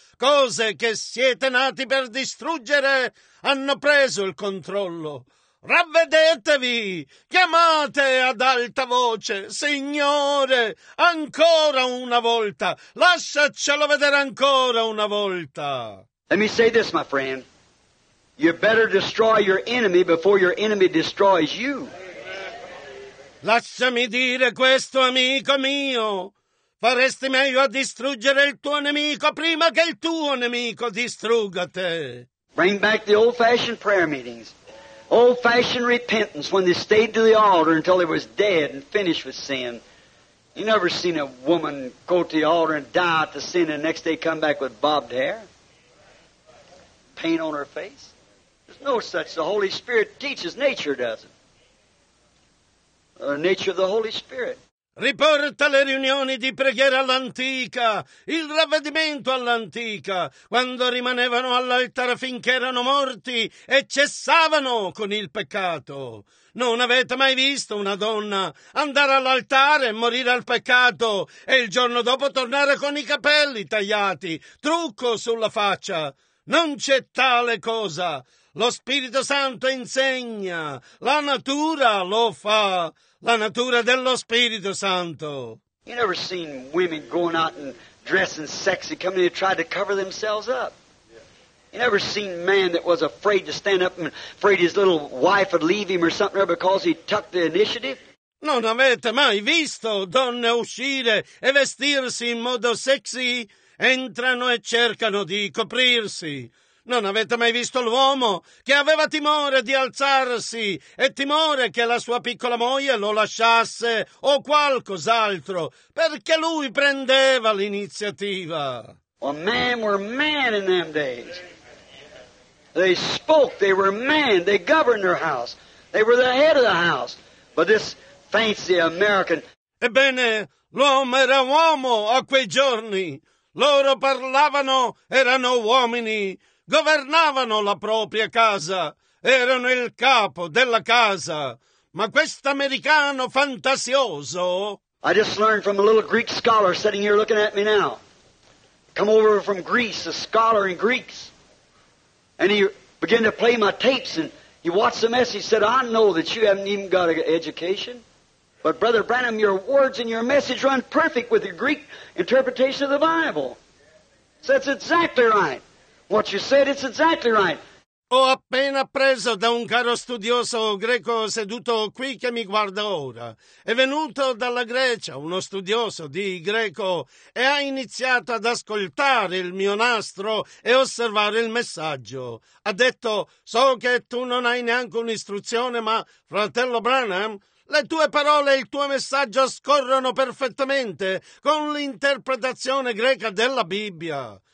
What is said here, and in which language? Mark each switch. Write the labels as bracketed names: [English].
[Italian] Cose che siete nati per distruggere hanno preso il controllo. Ravvedetevi, chiamate ad alta voce, Signore, ancora una volta, lasciacelo vedere ancora una volta. [English] Let me say this, my friend, you better destroy your enemy before your enemy destroys you. [Italian] Lasciami dire questo, amico mio, faresti meglio a distruggere il tuo nemico prima che il tuo nemico distrugga te. [English] Bring back the old-fashioned prayer meetings. Old-fashioned repentance, when they stayed to the altar until they was dead and finished with sin. You never seen a woman go to the altar and die at the sin and the next day come back with bobbed hair? Paint on her face? There's no such. The Holy Spirit teaches. Nature doesn't. The nature of the Holy Spirit. [Italian] Riporta le riunioni di preghiera all'antica, il ravvedimento all'antica, quando rimanevano all'altare finché erano morti e cessavano con il peccato. Non avete mai visto una donna andare all'altare e morire al peccato e il giorno dopo tornare con i capelli tagliati, trucco sulla faccia? Non c'è tale cosa. Lo Spirito Santo insegna, la natura lo fa. La natura dello Spirito Santo. [English] You never seen women going out and dressing sexy, coming to try to cover themselves up. You never seen man that was afraid to stand up and afraid his little wife would leave him or something because he tucked the initiative? [Italian] Non avete mai visto donne uscire e vestirsi in modo sexy? Entrano e cercano di coprirsi. Non avete mai visto l'uomo che aveva timore di alzarsi e timore che la sua piccola moglie lo lasciasse o qualcos'altro, perché lui prendeva l'iniziativa. [English] Well, men were men in them days. They spoke, they were men, they governed their house. They were the head of the house. But this fancy American... [Italian] Ebbene, l'uomo era uomo a quei giorni. Loro parlavano, erano uomini. Governavano la propria casa, erano il capo della casa. Ma questo americano fantasioso. [English] I just learned from a little Greek scholar sitting here looking at me now. Come over from Greece, a scholar in Greeks. And he began to play my tapes and he watched the message and said, I know that you haven't even got an education. But Brother Branham, your words and your message run perfect with your Greek interpretation of the Bible. So that's exactly right. What you said, it's exactly right. [Italian] Ho appena appreso da un caro studioso greco seduto qui che mi guarda ora. È venuto dalla Grecia, uno studioso di greco, e ha iniziato ad ascoltare il mio nastro e osservare il messaggio. Ha detto, so che tu non hai neanche un'istruzione, ma, fratello Branham, le tue parole e il tuo messaggio scorrono perfettamente con l'interpretazione greca della Bibbia.